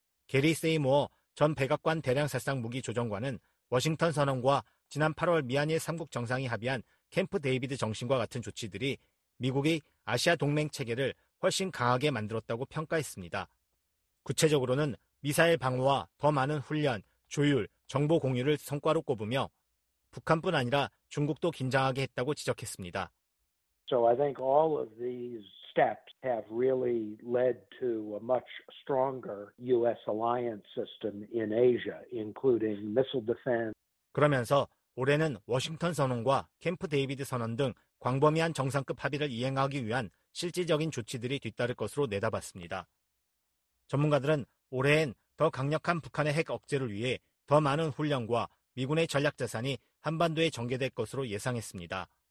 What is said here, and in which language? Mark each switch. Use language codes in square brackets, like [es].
[ko] 게리 세이모어 전 백악관 대량살상 무기 조정관은 워싱턴 선언과 지난 8월 미한일 3국 정상이 합의한 캠프 데이비드 정신과 같은 조치들이 미국이 아시아 동맹 체계를 훨씬 강하게 만들었다고 평가했습니다. 구체적으로는 미사일 방어와 더 많은 훈련, 조율, 정보 공유를 성과로 꼽으며 북한뿐 아니라 중국도 긴장하게 했다고 지적했습니다. [en] So I think all of these steps have really led to a much stronger U.S. alliance system in Asia, including missile defense. [ko] 그러면서 올해는 워싱턴 선언과 캠프 데이비드 선언 등 광범위한 정상급 합의를 이행하기 위한 실질적인 조치들이 뒤따를 것으로 내다봤습니다. 전문가들은 올해엔 더 강력한 북한의 핵 억제를 위해 더 많은 훈련과 미군의 전략 자산이 한반도에 전개될 것으로 예상했습니다.